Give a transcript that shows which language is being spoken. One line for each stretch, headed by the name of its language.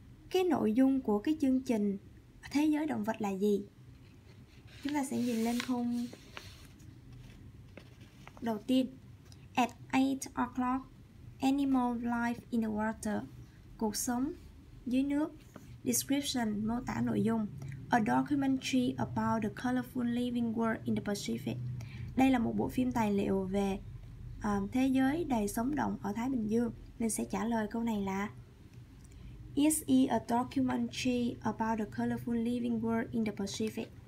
Vietnamese: Cái nội dung của cái chương trình thế giới động vật là gì? Chúng ta sẽ nhìn lên khung. Đầu tiên,
English: at 8 o'clock, animal life in the water,
Vietnamese: cuộc sống dưới nước. Description, mô tả nội dung.
English: A documentary about the colorful living world in the Pacific.
Vietnamese: Đây là một bộ phim tài liệu về thế giới đầy sống động ở Thái Bình Dương. Mình sẽ trả lời câu này là
English: Is it a documentary about the colorful living world in the Pacific?